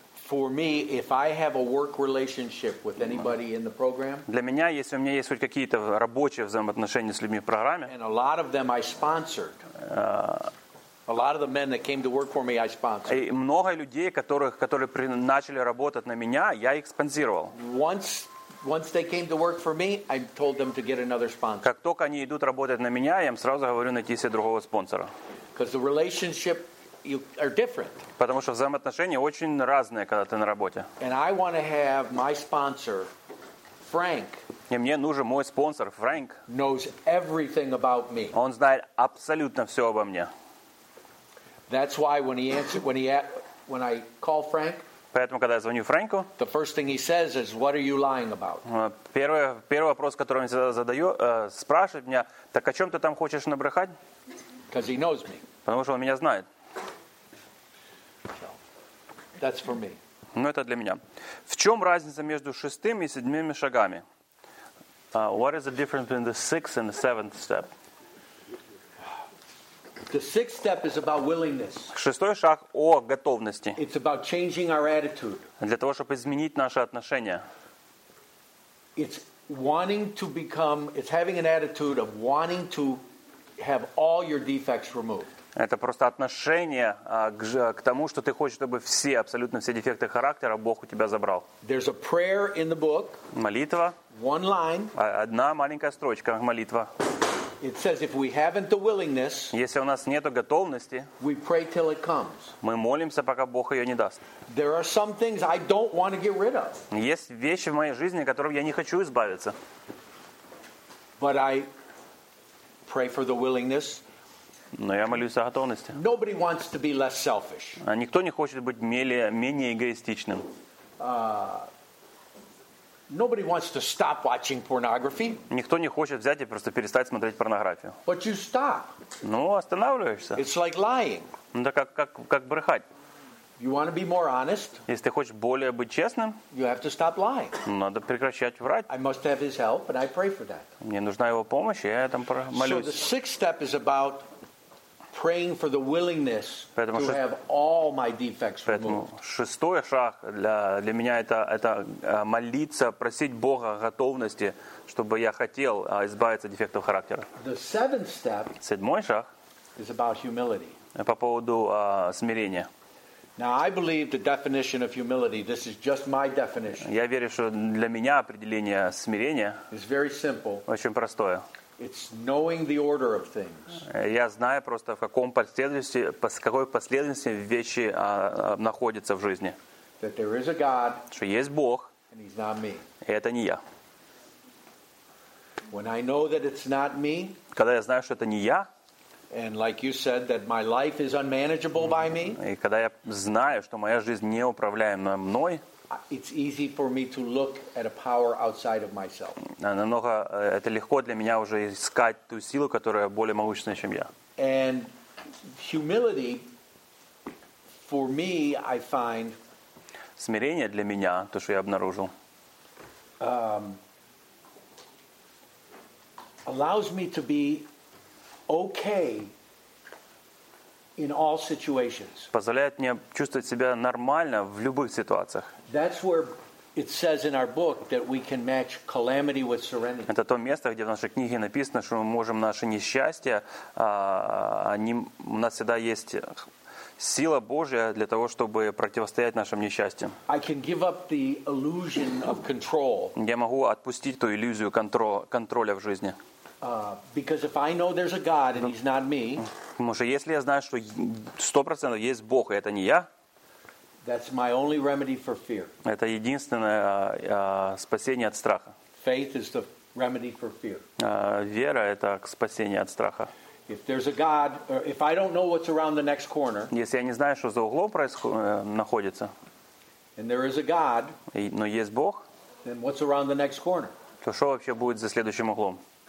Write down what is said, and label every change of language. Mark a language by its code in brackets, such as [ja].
[en] For me, if I have a work relationship with anybody in the program, [ru] для меня, если у меня есть хоть какие-то рабочие взаимоотношения с людьми в программе, [en] and a lot of them I sponsored. A lot of the men that came to work for me, I sponsored. [ru] И много людей, которые начали работать на меня, я их спонсировал. [en] Once they came to work for me, I told them to get another sponsor. [ru] Как только они идут работать на меня, я им сразу говорю найти себе другого спонсора. [en] Because the relationship are different. [ru] Потому что взаимоотношения очень разные, когда ты на работе. [en] And I want to have my sponsor, Frank. [ru] И мне нужен мой спонсор Фрэнк. [en] Knows everything about me. [ru] Он знает абсолютно все обо мне. [en] That's why when I call Frank. [ru] Поэтому, когда я звоню Фрэнку, [en] the first thing he says is, "What are you lying about?" [ru] Первый вопрос, который он всегда задает, спрашивает меня: "Так о чем ты там хочешь набрехать?" [en] Because he knows me. [ru] Потому что он меня знает. [en] That's for me. [ru] Ну, это для меня. В чем разница между шестым и седьмыми шагами? [en] What is the difference between the sixth and the seventh step? The sixth step is about willingness. [ru] Шестой шаг о готовности. [en] It's about changing our attitude. [ru] Для того, чтобы изменить наши отношения. [en] It's wanting to become, it's having an attitude of wanting to have all your defects removed. [ru] Это просто отношение к тому, что ты хочешь, чтобы все, абсолютно все дефекты характера Бог у тебя забрал. [en] There's a prayer in the book. [ru] Молитва. [en] One line. [ru] Одна маленькая строчка, молитва. [en] It says if we haven't the willingness, [ru] если у нас нету готовности, [en] we pray till it comes. [ru] Мы молимся, пока Бог ее не даст. [en] There are some things I don't want to get rid of. [ru] Есть вещи в моей жизни, от которых я не хочу избавиться. [en] But I pray for the willingness. [ru] Но я молюсь о готовности. [en] Nobody wants to be less selfish. [ru] Никто не хочет быть менее эгоистичным. [en] Nobody wants to stop watching pornography. [ru] Никто не хочет взять и просто перестать смотреть порнографию. [en] But you stop. [ru] Ну, останавливаешься. [en] It's like lying. [ru] Ну, да как брехать. [en] You want to be more honest. [ru] Если ты хочешь более быть честным, [en] you have to stop lying. [ru] Надо прекращать врать. [en] I must have his help, and I pray for that. [ru] Мне нужна его помощь, и я там молюсь. [en] So the sixth step is about praying for the willingness [ru] поэтому [en] to have all my defects removed. [ru] Поэтому шестой шаг для меня это молиться, просить Бога о готовности, чтобы я хотел избавиться от дефектов характера. [en] The seventh step [ru] седьмой шаг [en] is about humility. [ru] По поводу смирения. [en] Now I believe the definition of humility, this is just my definition. [ru] Я верю, что для меня определение смирения [en] is very simple. [ru] Очень простое. [en] It's knowing the order of things. [ru] Я знаю просто в каком последовательности, в какой последовательности вещи находятся в жизни. [en] That there is a God, [ru] что есть Бог, [en] and he's not me. [ru] И это не я. [en] When I know that it's not me, [ru] когда я знаю, что это не я, [en] and like you said, that my life is unmanageable by me, [ru] и когда я знаю, что моя жизнь неуправляема мной, [en] it's easy for me to look at a power outside of myself. [ru] Намного это легко для меня уже искать ту силу, которая более могущественная, чем я. [en] And humility for me, I find. [ru] Смирение для меня то, что я обнаружил. [en] Allows me to be okay in all situations. [ru] Позволяет мне чувствовать себя нормально в любых ситуациях. [en] That's where it says in our book that we can match calamity with serenity. [ru] Это то место, где в нашей книге написано, что мы можем наше несчастье, у нас всегда есть сила Божья для того, чтобы противостоять нашим несчастьям. [en] I can give up the illusion of control. [ru] Я могу отпустить ту иллюзию контроля в жизни. [en] Because if I know there's a God and he's not me. [ru] Потому что если я знаю, что 100% есть Бог, и это не я. [en] That's my only remedy for fear. [ru] Это единственное спасение от страха. [en] Faith is the remedy for fear. [ru] Вера это спасение от страха. [en] If there's a God, or if I don't know what's around the next corner. [ru] Если я не знаю, что за углом находится. [en] And there is a God. [ru] Но есть Бог. [en] Then what's around the next corner? [ru] То что вообще будет за следующим углом?